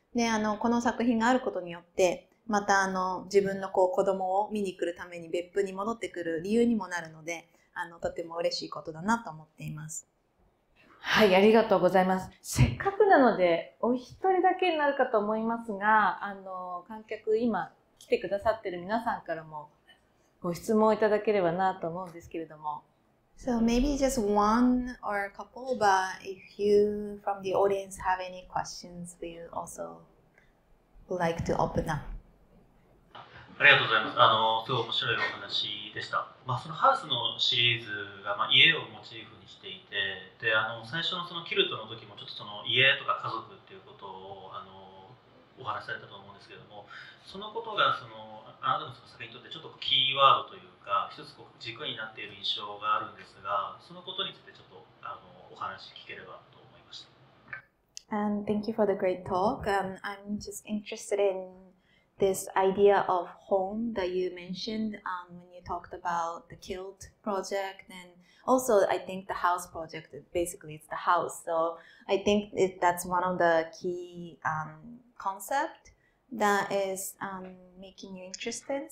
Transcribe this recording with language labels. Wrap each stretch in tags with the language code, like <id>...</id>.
<ja>でこの作品があることによってまた自分のこう子供を見に来るために別府に戻ってくる理由にもなるので、とても嬉しいことだなと思っています。はい、ありがとうございます。せっかくなのでお一人だけになるかと思いますが、観客今来てくださってる皆さんからもご質問いただければなと思うんですけれども、</ja> <en>So maybe just one or a couple, but if you from the audience have any questions, we also like to open up。</en> <ja>ありがとうございます。すごい面白いお話でした。まあ、そのハウスのシリーズが、まあ、家をモチーフにしていて、で最初 そのキルトの時もちょっとその家とか家族っていうことをお話しされたと思うんですけども、そのことがそのあなたの作品にとってちょっとキーワードというか一つこう軸になっている印象があるんですが、そのことについてちょっとお話聞ければと思いました。</ja> <en>And thank you for the great talk. I'm just interested in this idea of home that you mentioned when you talked about the kilt project. And also, I think the house project, basically it's the house. So I think that's one of the key concept that is making you interested.</en>